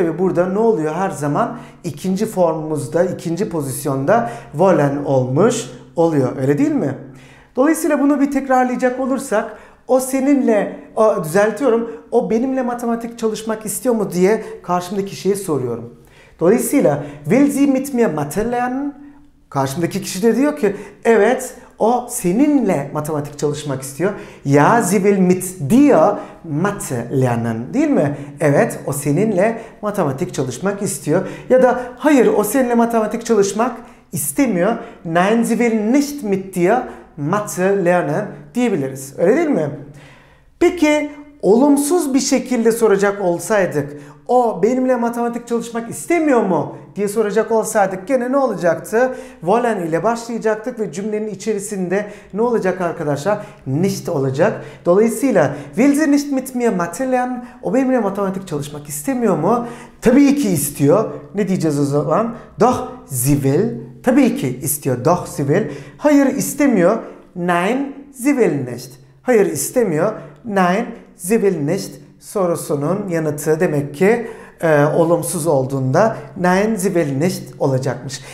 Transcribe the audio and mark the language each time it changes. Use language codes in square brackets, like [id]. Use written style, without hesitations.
[tr] Tabi burada ne oluyor her zaman? İkinci formumuzda, ikinci pozisyonda wollen olmuş oluyor öyle değil mi? Dolayısıyla bunu bir tekrarlayacak olursak o seninle, düzeltiyorum, o benimle matematik çalışmak istiyor mu diye karşımdaki kişiye soruyorum. [de] Dolayısıyla, will sie mit mir Mathe lernen? [tr] Karşımdaki kişi de diyor ki, evet, o seninle matematik çalışmak istiyor. [de] Ja, sie will mit dir Mathe lernen, [tr] değil mi? Evet, o seninle matematik çalışmak istiyor. Ya da, hayır, o seninle matematik çalışmak istemiyor. [de] Nein, sie will nicht mit dir Mathe lernen diyebiliriz. [tr] Öyle değil mi? Peki olumsuz bir şekilde soracak olsaydık o benimle matematik çalışmak istemiyor mu diye soracak olsaydık gene ne olacaktı? Wollen ile başlayacaktık ve cümlenin içerisinde ne olacak arkadaşlar? Nicht olacak. [de] Dolayısıyla Will sie nicht mit mir Mathe lernen? [tr] O benimle matematik çalışmak istemiyor mu? Tabii ki istiyor. Ne diyeceğiz o zaman? [de] Doch sie will. [tr] Tabii ki istiyor. [de] Doch sie will. [tr] Hayır istemiyor. [de] Nein, sie will nicht. [tr] Hayır istemiyor. [de] Nein, sie will nicht. [tr] Sorusunun yanıtı demek ki olumsuz olduğunda [de] Nein, sie will nicht [tr] olacakmış.